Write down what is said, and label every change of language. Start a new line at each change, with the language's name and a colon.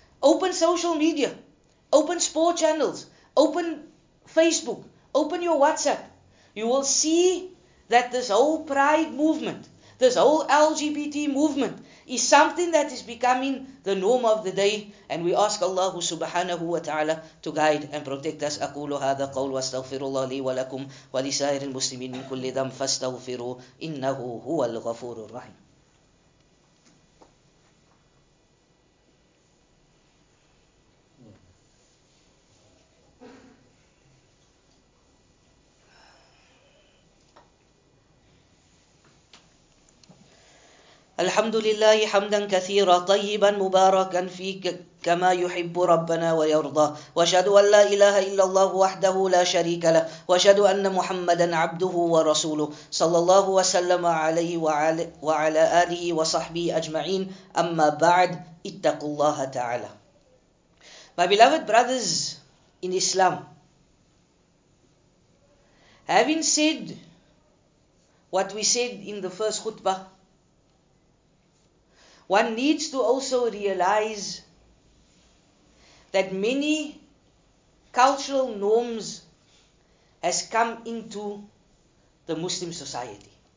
English: Open social media, open sport channels, open Facebook, open your WhatsApp. You will see that this whole pride movement, this whole LGBT movement, is something that is becoming the norm of the day. And we ask Allah subhanahu wa ta'ala to guide and protect us.
Arabic: أقول هذا قول واستغفر الله لي ولكم ولسائر المسلمين من كل ذنب فاستغفروا إنه هو الغفور الرحيم. الحمد لله حمدا كثيرا طيبا مباركا فيك كما يحب ربنا ويرضى وأشهد أن لا إله إلا الله وحده لا شريك له وأشهد أن محمدا عبده ورسوله صلى الله وسلم عليه وعلى آله وصحبه أجمعين أما بعد اتقوا الله تعالى.
English: My beloved brothers in Islam, having said what we said in the first khutbah, one needs to also realize that many cultural norms has come into the Muslim society.